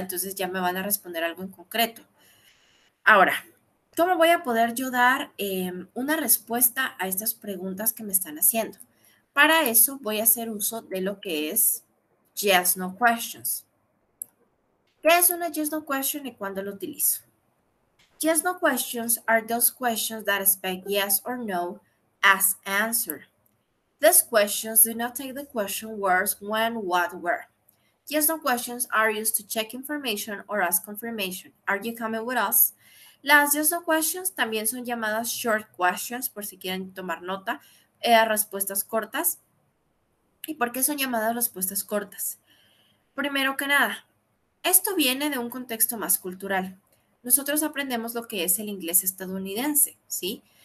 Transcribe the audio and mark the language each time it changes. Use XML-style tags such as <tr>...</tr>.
<es>Entonces ya me van a responder algo en concreto. Ahora, ¿cómo voy a poder yo dar una respuesta a estas preguntas que me están haciendo? Para eso voy a hacer uso de lo que es yes, no questions. ¿Qué es una yes, no question y cuándo lo utilizo?</es> <en>Yes, no questions are those questions that expect yes or no as answer. These questions do not take the question words when, what, where. Yes, no questions are used to check information or ask confirmation. Are you coming with us?</en> <es>Las yes, no questions también son llamadas short questions, por si quieren tomar nota, respuestas cortas. ¿Y por qué son llamadas respuestas cortas? Primero que nada, esto viene de un contexto más cultural. Nosotros aprendemos lo que es el inglés estadounidense, ¿sí?</es>